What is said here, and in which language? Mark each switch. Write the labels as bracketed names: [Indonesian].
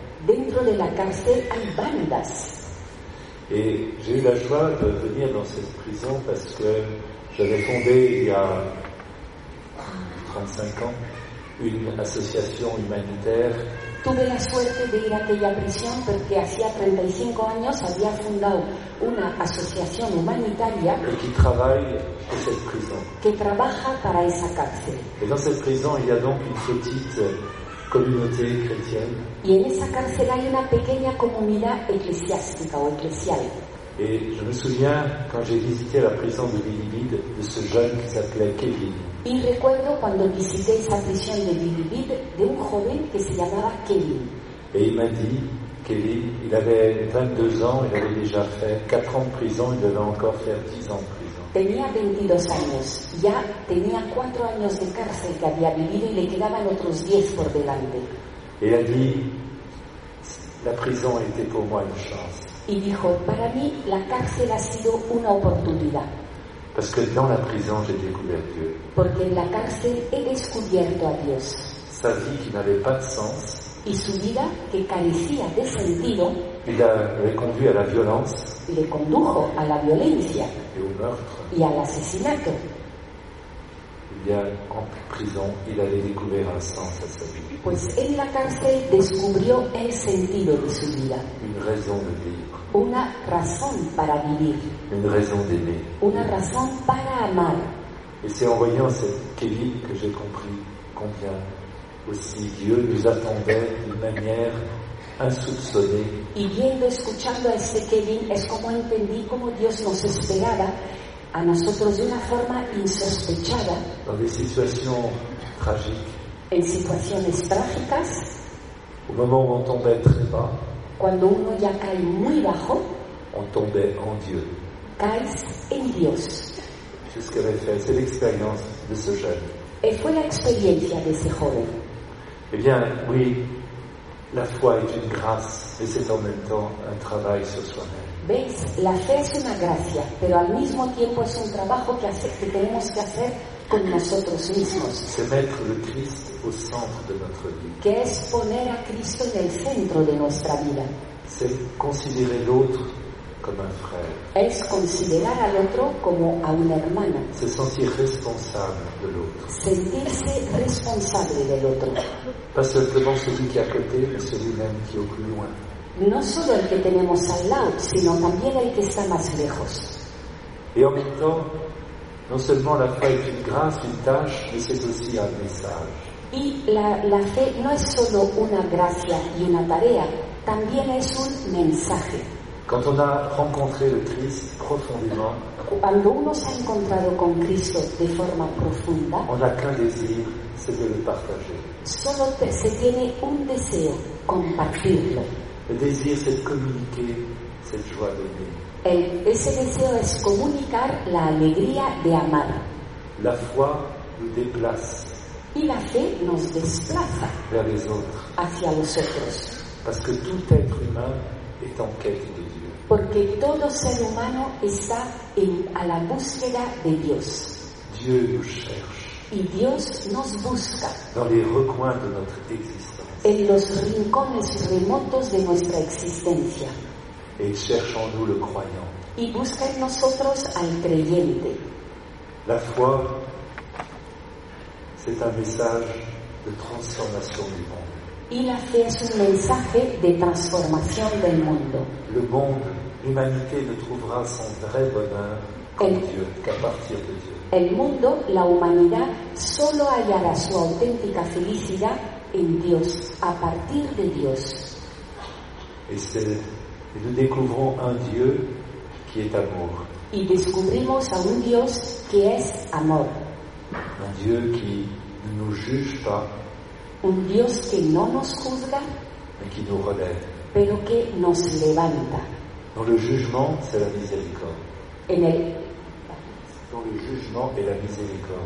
[Spanish] Dentro de la cárcel hay bandas. [French] Et j'ai eu la joie de venir dans cette prison parce que j'avais fondé il y a 35 ans. Une association humanitaire. [Spanish] Tuve la suerte de ir a aquella prisión porque hacía 35 años había fundado una asociación humanitaria. [French] Et qui travaille pour cette prison. [Spanish] Que trabaja para esa cárcel. [French] Et dans cette prison, il y a donc une petite communauté chrétienne. [Spanish] Y en esa cárcel hay una pequeña comunidad eclesiástica o eclesial. [French] Et je me souviens quand j'ai visité la prison de Bilibid de ce jeune qui s'appelait Kevin. [Spanish] Y recuerdo cuando visité esa prisión de Bilibid de un joven que se llamaba Kevin. [French] Et il m'a dit, Kevin, il avait 22 ans, il avait déjà fait 4 ans de prison, il devait encore faire 10 ans de prison. [Spanish] Tenía 22 años, ya tenía 4 años de cárcel que había vivido y le quedaban otros 10 por delante. [French] Et il a dit, la prison était pour moi une chance. [Spanish] Y dijo, para mí la cárcel ha sido una oportunidad. [French] Parce que dans la prison, j'ai découvert Dieu. [Spanish] Porque en la cárcel he descubierto a Dios. [French] Sa vie qui n'avait pas de sens. [Spanish] Y su vida que carecía de sentido. [French] Le conduit à la violence. [Spanish] Le condujo a la violencia. [French] Et au meurtre. [Spanish] Y al asesinato. [French] En prison, il avait découvert un sens à sa vie. [Spanish] Pues en la cárcel descubrió el sentido de su vida. [French] Une raison de vivre. [Spanish] Una razón para vivir. [French] Une raison d'aimer. [Spanish] Una razón para amar. [French] Et c'est en voyant cette Kelly que j'ai compris combien aussi Dieu nous attendait d'une manière insoupçonnée. [Spanish] Y viendo, escuchando a ese Kelly, es como entendí cómo Dios nos esperaba a nosotros de una forma insospechada. [French] Dans des situations tragiques. [Spanish] En situaciones trágicas. [French] Au moment où on tombait très bas. [Spanish] Cuando uno ya cae muy bajo. [French] On tombait en Dieu. [Spanish] Caes en Dios. [French] C'est ce que j'ai fait. C'est l'expérience de ce jeune. [Spanish] Et fue la experiencia de ese joven. [French] Eh bien, oui, la foi est une grâce, et c'est en même temps un travail sur soi-même. [Spanish] ¿Veis? La fe es una gracia, pero al mismo tiempo es un trabajo que tenemos que hacer con nosotros mismos. [French] C'est mettre le Christ au centre de notre vie. [Spanish] Que es poner a Cristo en el centro de nuestra vida. [French] C'est considérer l'autre comme un frère. [Spanish] Es considerar al otro como a un hermano. [French] C'est sentir responsable de l'autre. [Spanish] Sentirse responsable del otro. [French] Pas seulement celui qui est à côté, mais celui-même qui est au plus loin. [Spanish] No solo el que tenemos al lado, sino también el que está más lejos. Y [French] en même temps, [Spanish] no [French] seulement la foi est une grâce, une tâche, mais c'est aussi un message. [Spanish] Y la fe no es solo una gracia y una tarea, también es un mensaje. [French] Quand on a rencontré le Christ profondément, [Spanish] cuando uno se ha encontrado con Cristo de forma profunda, [French] on a qu'un désir, c'est de le partager. [Spanish] Solo se tiene un deseo, compartirlo. [French] Le désir, c'est de communiquer cette joie d'aimer. [Spanish] Ese deseo es comunicar la alegría de amar. [French] La foi nous déplace. [Spanish] Y la fe nos desplaza [French] vers les autres. [Spanish] Hacia los otros. [French] Parce que tout être humain est en quête de Dieu. [Spanish] Porque todo ser humano está a la búsqueda de Dios. [French] Dieu nous cherche. [Spanish] Y Dios nos busca. [French] Dans les recoins de notre existence. [Spanish] En los rincones remotos de nuestra existencia. [French] Et il cherche en nous le croyant. [Spanish] Y busca en nosotros al creyente. [French] La foi, c'est un message de transformation du monde. [Spanish] Y la fe es un mensaje de transformación del mundo. [French] Le monde, l'humanité ne trouvera son vrai bonheur qu'à partir de Dieu. [Spanish] El mundo, la humanidad, solo hallará su auténtica felicidad en Dios, a partir de Dios. [French] Et nous découvrons un Dieu qui est amour. [Spanish] Y descubrimos a un Dios que es amor. [French] Un Dieu qui ne nous juge pas. [Spanish] Un Dios que no nos juzga. [French] Mais qui nous relève. [Spanish] Pero que nos levanta. [French] Dans le jugement, c'est la miséricorde. Dans le jugement et la miséricorde.